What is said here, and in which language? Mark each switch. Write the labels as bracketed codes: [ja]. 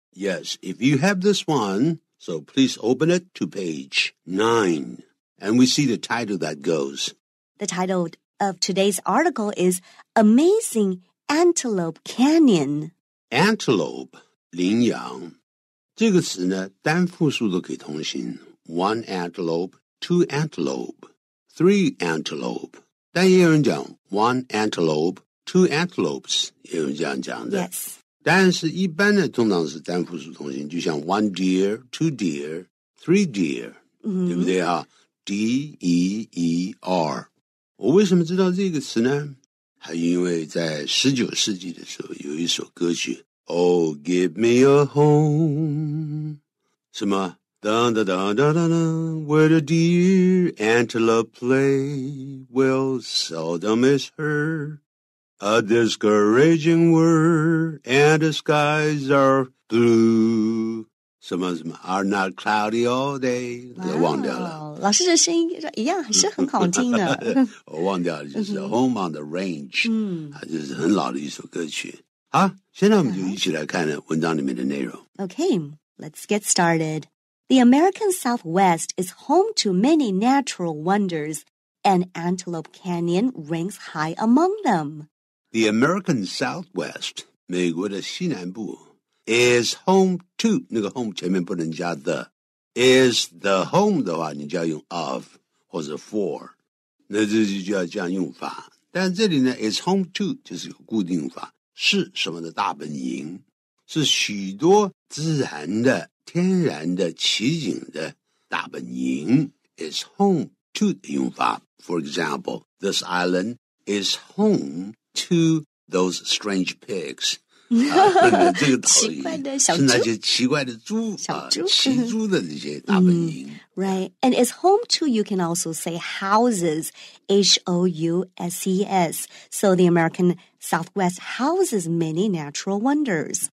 [en] Yes, if you have this one, so please open it to page 9. And we see the title that goes. The title of today's article is Amazing Antelope Canyon. [zh] Antelope, 羚羊。这个词呢，单复数都可以通行。 [en] One antelope, two antelope, three antelope. [zh] 但也有人讲 [en] one antelope, two antelopes, [zh] 也有人这样讲的。 [en] Yes. [zh] 但是一般呢，通常是单复数通行，就像 [en] one deer, two deer, three deer,、 [zh] 对不对啊 ?D-E-E-R. 我为什么知道这个词呢？还因为在19世纪的时候有一首歌曲 [en] Oh, give me a home. [zh] 什么 [en] Dun, dun, dun, dun, dun, dun, where the deer antelope play, well, seldom is heard. A discouraging word, and the skies are blue. Some of them are not cloudy all day. [zh] 忘掉了。老师的声音一样是很好听的。我忘掉了，就是 Home on the Range. 这是很老的一首歌曲。好，现在我们就一起来看文章里面的内容。 [en] Okay, let's get started. The American Southwest is home to many natural wonders, and Antelope Canyon ranks high among them. The American Southwest, [zh] 美国的西南部, [en] is home to, [zh] 那个 home 前面不能加 the, [en] is the home [zh] 的话你就要用 of, 或者 for, 那这就要这样用法。但这里呢 [en] is home to, [zh] 就是固定法,是什么的大本营,是许多自然的天然的奇景的大本营 is home to 的用法 [en] For example, this island is home to those strange pigs. [zh] 这个岛屿是那些奇怪的猪奇猪的这些大本营 [en] Right, and is home to, you can also say houses, H-O-U-S-E-S. So the American Southwest houses many natural wonders.